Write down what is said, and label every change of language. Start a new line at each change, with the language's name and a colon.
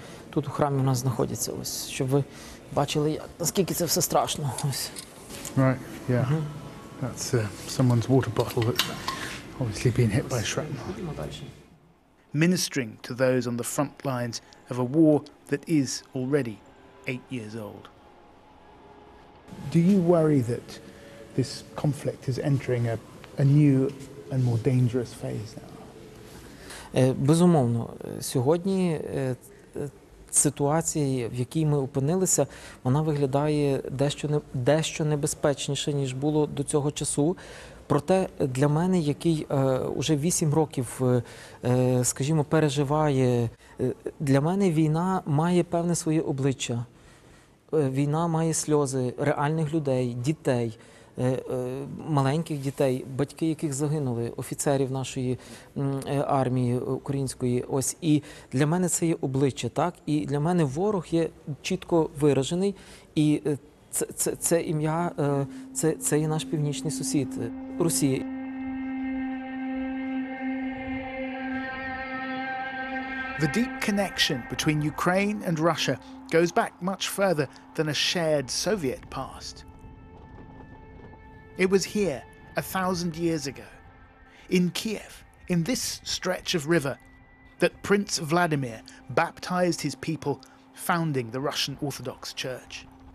Ukrainian: Тут у храмі у нас знаходиться ось, щоб ви бачили, наскільки це все страшно.
English: Right, yeah. Mm-hmm. That's someone's water bottle that's obviously been hit by shrapnel. Ministering to those on the front lines of a war that is already 8 years old. Do you worry that this conflict is entering a new and more dangerous phase now?
Ukrainian: Безумовно, сьогодні ситуація, в якій ми опинилися, вона виглядає дещо небезпечніше, ніж було до цього часу. Проте для мене, який вже 8 років, скажімо, переживає, для мене війна має певне своє обличчя. Війна має сльози реальних людей, дітей, маленьких дітей, батьки яких загинули, офіцерів нашої армії української. Ось і для мене це є обличчя, так? І для мене ворог є чітко виражений, і це ім'я, це є наш північний сусід Росія.
English: The deep connection between Ukraine and Russia goes back much further than a shared Soviet past. It was here, 1,000 years ago, in Kiev, in this stretch of river, that Prince Vladimir baptized his people, founding the Russian Orthodox Church.